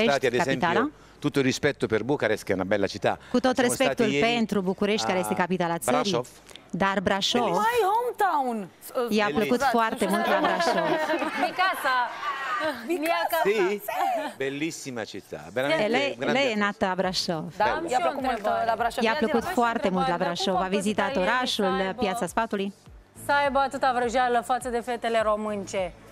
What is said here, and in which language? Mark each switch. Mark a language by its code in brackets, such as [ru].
[it] Ieri siamo stati, ad esempio, tutto il rispetto per Bucarest, che è una bella città. [ro] Cu tot respectul pentru București, care este capitala țării. Brașov. Dar Brașov... [en] My hometown! [ro] I-a plăcut foarte mult la Brașov. [es] Mi casa! [ro] Mi-a [it] sì? Bellissima città, veramente. Lei è nata a Brașov. [ro] Da, mi-a plăcut mult la Brașov. I-a plăcut foarte mult la Brașov. A vizitat orașul, Piața Sfatului. Să aibă atâta vrăjeală față de fetele românce.